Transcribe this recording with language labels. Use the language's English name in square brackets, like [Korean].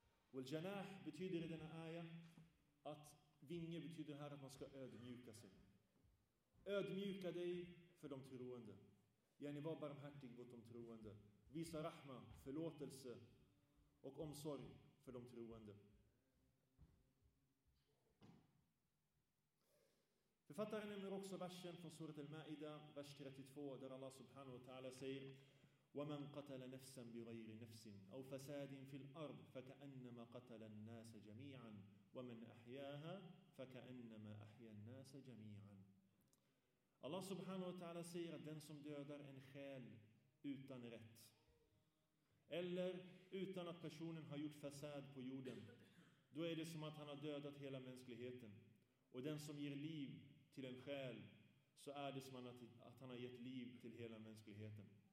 [Swedish] Och janah betyder i denna aya att vinge betyder här att man ska ödmjuka sig. Ödmjuka dig för de troende. Yani var barmhärtig mot de troende. Visa rahma, förlåtelse och omsorg för de troende. Författaren nämner också versen från surat al-Ma'ida, vers 32, där Allah subhanahu wa ta'ala säger [Arabic] وَمَنْ قَتَلَ نَفْسًا بِغَيْرِ نَفْسٍ أَوْ فَسَادٍ فِي الْأَرْضِ فَكَأَنَّمَا قَتَلَ النَّاسَ جَمِيعًا وَمَنْ أَحْيَاهَا فَكَأَنَّمَا أَحْيَا النَّاسَ جَمِيعًا. [Swedish] Allah subhanahu wa ta'ala säger att den som dödar en själ utan rätt eller utan att personen har gjort fasad på jorden, då är det som att han har dödat hela mänskligheten. Och den som ger liv till en själ, så är det som att han har gett liv till hela mänskligheten.